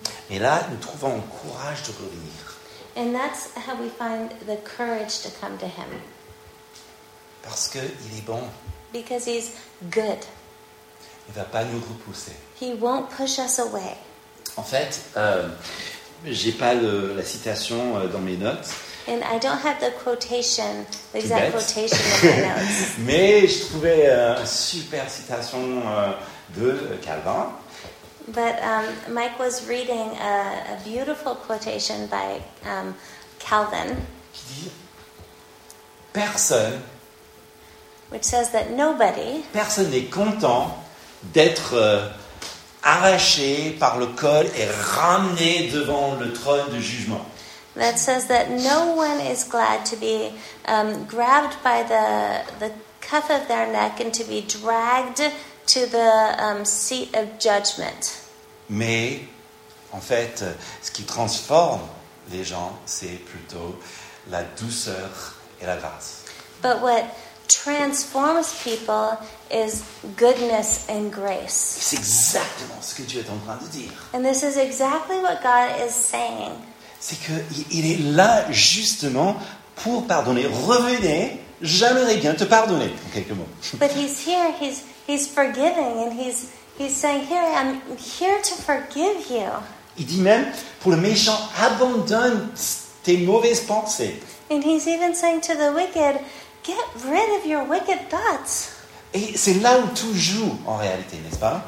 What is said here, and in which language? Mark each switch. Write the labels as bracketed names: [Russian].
[French] Et là, nous trouvons le courage de revenir. [English] And that's how we find the courage to come to him. [French] Parce qu'il est bon. [English] Because he's good. [French] Il ne va pas nous repousser. [English] He won't push us away. [French] En fait, je n'ai pas la citation dans mes notes. [English] And I don't have the quotation, the exact quotation in my notes. [French] Mais je trouvais une super citation de Calvin. [English] But Mike was reading a beautiful quotation by Calvin. [French] Qui dit, personne. [English] Which says that nobody. [French] Personne n'est content d'être arraché par le col et ramené devant le trône du jugement. [English] That says that no one is glad to be grabbed by the cuff of their neck and to be dragged to the seat of judgment. [French] Mais, en fait, ce qui transforme les gens, c'est plutôt la douceur et la grâce. [English] But what transforms people is goodness and grace. [French] C'est exactement ce que Dieu est en train de dire. [English] And this is exactly what God is saying. [French] C'est qu'il est là justement pour pardonner. Revenez, j'aimerais bien te pardonner, en quelques mots. [English] But he's here, he's forgiving and he's saying, here, I'm here to forgive you. [French] Il dit même, pour le méchant, abandonne tes mauvaises pensées. [English] And he's even saying to the wicked, get rid of your wicked thoughts. [French] Et c'est là où tout joue, en réalité, n'est-ce pas?